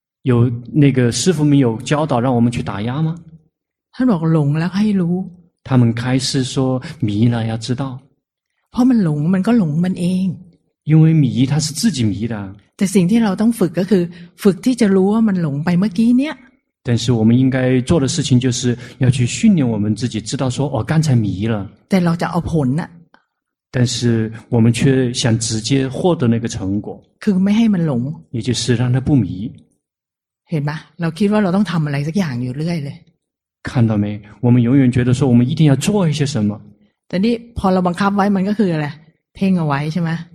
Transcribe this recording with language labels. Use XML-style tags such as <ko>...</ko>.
<zh>有那个师父们有教导让我们去打压吗</zh> <th>ท่านบอกหลงแล้วให้รู้</th> <zh>他们开示说迷了要知道</zh> <th>เพราะมันหลงมันก็หลงมันเอง</th> <zh>因为迷它是自己迷的</zh> <th>แต่สิ่งที่เราต้องฝึกก็คือฝึกที่จะรู้ว่ามันหลงไปเมื่อกี้เนี้ย</th> <zh>但是我们应该做的事情就是要去训练我们自己知道说哦刚才迷了</zh> <th>แต่เราจะเอาผลน่ะ</th> <zh>但是我们却想直接获得那个成果</zh> <th>คือไม่ให้มันหลง</th> <zh>也就是让它不迷</zh> <th>เห็นไหมเราคิดว่าเราต้องทำอะไรสักอย่างอยู่เรื่อยเลย</th> <zh>看到没我们永远觉得说我们一定要做一些什么</zh> <th>แต่นี่พอเราบังคับไว้มันก็คืออะไรเพ่งเอาไว้ใช่ไหม</th>